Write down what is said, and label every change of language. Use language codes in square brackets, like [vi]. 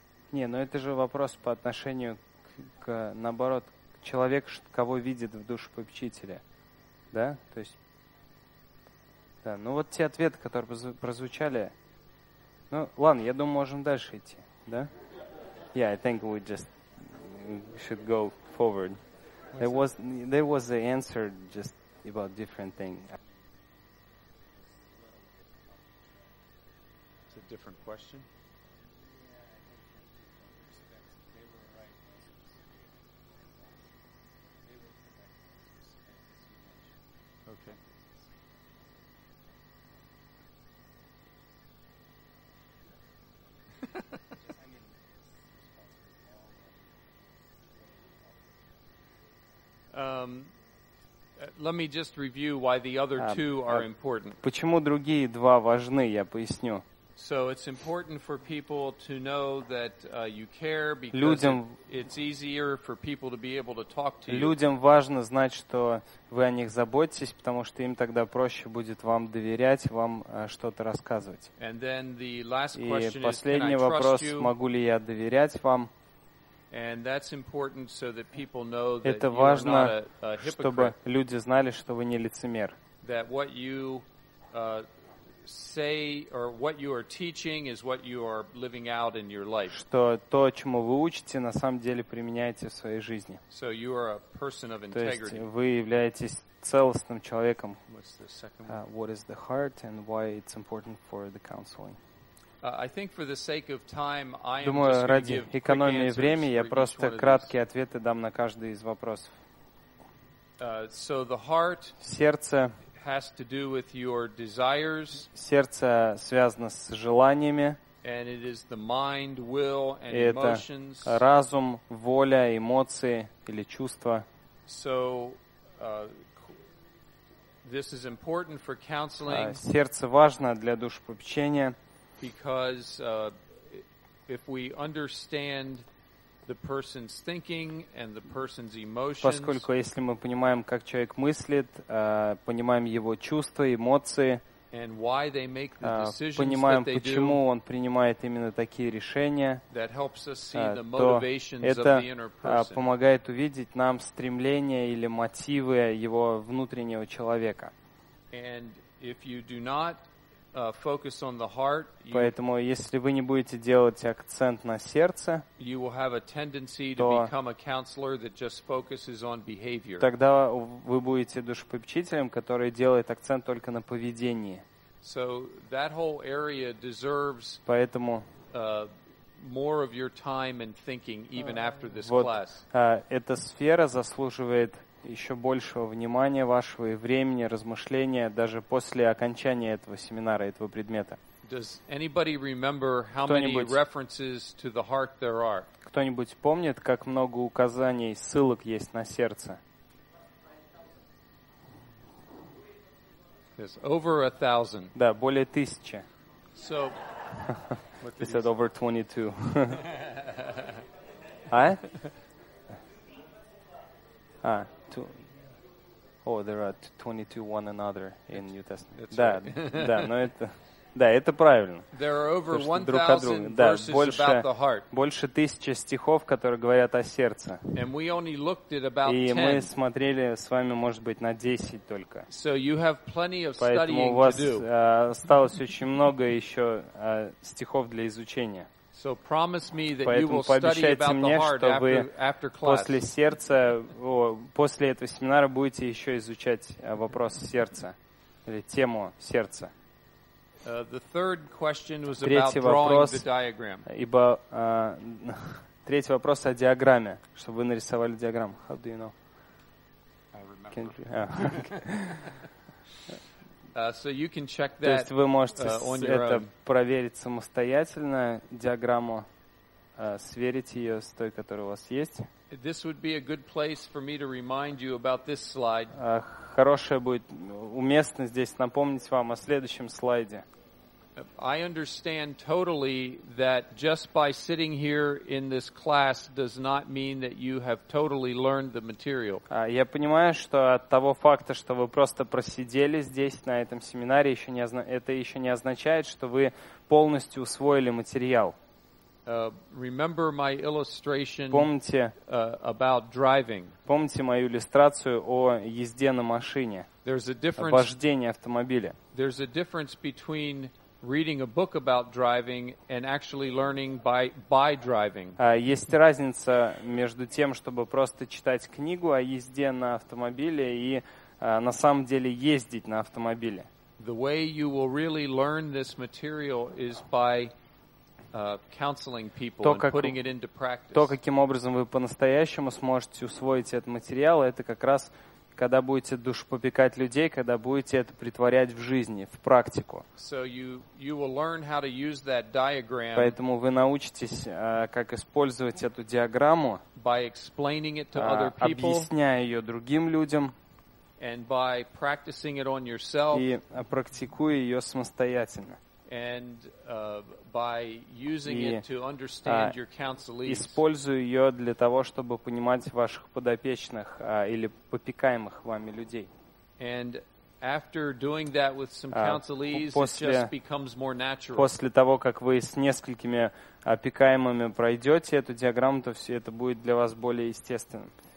[ru] Не, ну это же вопрос по отношению к наоборот, к человеку, кого видит в душе попечителя. Да? То есть... Да, ну вот те ответы, которые прозвучали. Ну, ладно, я думаю, можем дальше идти, да? [en] Yeah, I think we just should go forward. There was the answer just about different thing. It's a different question. Okay. Let me just review why the other two are important. [ru] Почему другие два важны, я поясню. [en] So it's important for people to know that you care because [ru] людям, [en] it's easier for people to be able to talk to you. [ru] Людям важно знать, что вы о них заботитесь, потому что им тогда проще будет вам доверять, вам что-то рассказывать. [en] And then the last question is, [ru] последний вопрос, могу ли я доверять вам? [en] And that's important so that people know that [ru] это важно, [en] you are not a hypocrite, [ru] чтобы люди знали, что вы не лицемер. [en] That what you say or what you are teaching is what you are living out in your life. [ru] Что то, чему вы учите, на самом деле применяете в своей жизни. [en] So you are a person of integrity. [ru] То есть вы являетесь целостным человеком. [en] What's the second one? What is the heart and why it's important for the counseling? I think for the sake of time, I am [ru] думаю, [en] just [ru] ради [en] give [ru] экономии [en] quick [ru] времени, я просто краткие ответы дам на каждый из вопросов. [en] So the heart [ru] сердце, [en] has to do with your desires. [ru] Сердце связано с желаниями. [en] And it is the mind, will, and emotions. [ru] Это разум, воля, эмоции или чувства. [en] So this is important for counseling. [ru] Сердце важно для душепопечения. [en] Because if we understand the person's thinking and the person's emotions, [ru] поскольку если мы понимаем, как человек мыслит, понимаем его чувства, эмоции, [en] and why they make the decisions that they do, [ru] понимаем, почему он принимает именно такие решения, [en] that helps us see the motivations of the inner person. [ru] Это помогает увидеть нам стремления или мотивы его внутреннего человека. [en] And if you do not focus on the heart. [ru] Поэтому, если вы не будете делать акцент на сердце, [en] you will have a tendency to become a counselor that just focuses on behavior. [ru] Тогда вы будете душепопечителем, который делает акцент только на поведении. [en] So that whole area deserves [ru] поэтому [en] more of your time and thinking even after this [ru] вот, [en] class. [ru] Эта сфера заслуживает еще большего внимания вашего и времени, размышления, даже после окончания этого семинара, этого предмета. [en] Does anybody remember how many references to the heart there are? [ru] Кто-нибудь помнит, как много указаний, ссылок есть на сердце? [en] There's over 1,000. [ru] Да, более 1,000. [en] So, he said over 22. there are 22 one another in New Testament. [ru] Да, но это... Да, это правильно. [en] There are over 1,000 verses about the heart. [ru] Больше 1,000 стихов, которые говорят о сердце. [en] And we only looked at about 10. [ru] И мы смотрели с вами, может быть, на 10 только. [en] So you have plenty of studying to do. [ru] Поэтому у вас осталось очень много еще стихов для изучения. [en] So promise me that you will study about the heart after class. [ru] После сердца, после этого семинара будете еще изучать вопрос сердца или тему сердца. [en] The third question was about drawing the diagram. [ru] Ибо третий вопрос о диаграмме, чтобы вы нарисовали диаграмму. [en] How do you know? I remember. So you can check that. [ru] То есть вы можете это проверить самостоятельно диаграмму, сверить ее с той, которая у вас есть. [en] This would be a good place for me to remind you about this slide. [ru] Хорошее будет уместно здесь напомнить вам о следующем слайде. [en] I understand totally that just by sitting here in this class does not mean that you have totally learned the material. [ru] Я понимаю, что от того факта, что вы просто просидели здесь на этом семинаре, это еще не означает, что вы полностью усвоили материал. [en] Remember my illustration about driving. [ru] Помните мою иллюстрацию о езде на машине. [en] There's a difference. [ru] Вождении автомобиля. [en] There's a difference between reading a book about driving and actually learning by driving. [ru] Есть разница между тем, чтобы просто читать книгу о езде на автомобиле и на самом деле ездить на автомобиле. [en] The way you will really learn this material is by counseling people and putting it into practice. [ru] То, каким образом вы по-настоящему сможете усвоить этот материал, это как раз когда будете душепопекать людей, когда будете это притворять в жизни, в практику. [en] So you will learn how to use that diagram. [ru] Поэтому вы научитесь, как использовать эту диаграмму, [en] by explaining it to other people, [ru] объясняя ее другим людям, [en] and by practicing it on yourself, [ru] и практикуя ее самостоятельно. [en] And by using it to understand your counselees. [ru] Использую ее для того, чтобы понимать ваших подопечных или попекаемых вами людей. [en] And after doing that with some counselees, it just becomes more natural. [ru] После того, как вы с несколькими опекаемыми пройдете эту диаграмму, то все это будет для вас более естественным.